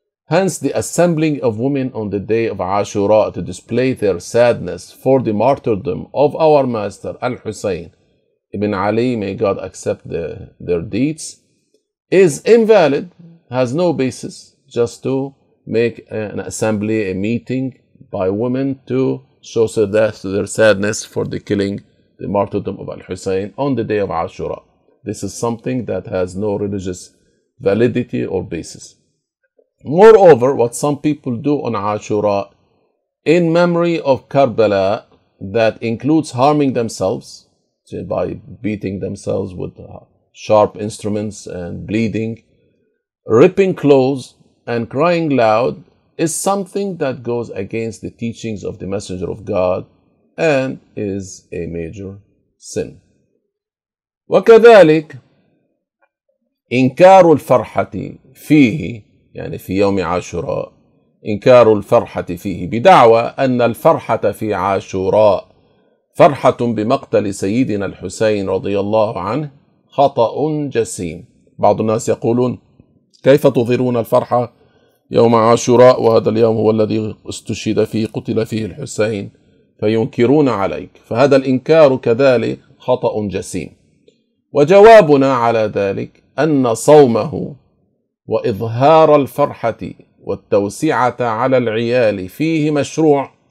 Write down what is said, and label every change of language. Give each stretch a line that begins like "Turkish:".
English: Hence the assembling of women on the day of Ashura to display their sadness for the martyrdom of our master Al-Husayn Ibn Ali may God accept their deeds is invalid has no basis just to make an assembly, a meeting by women to show their sadness for the killing, the martyrdom of Al-Husayn on the day of Ashura. This is something that has no religious validity or basis. Moreover, what some people do on Ashura in memory of Karbala that includes harming themselves by beating themselves with sharp instruments and bleeding, ripping clothes, and crying loud is something that goes against the teachings of the Messenger of God and is a major sin.
Arabic: وكذلك إنكار الفرحة فيه يعني في يوم عاشوراء إنكار الفرحة فيه بدعوى أن الفرحة في عاشوراء فرحة بمقتل سيدنا الحسين رضي الله عنه خطأ جسيم بعض الناس يقولون كيف تظهرون الفرحة يوم عاشوراء وهذا اليوم هو الذي استشهد فيه قتل فيه الحسين فينكرون عليك فهذا الإنكار كذلك خطأ جسيم وجوابنا على ذلك أن صومه وإظهار الفرحة والتوسعة على العيال فيه مشروع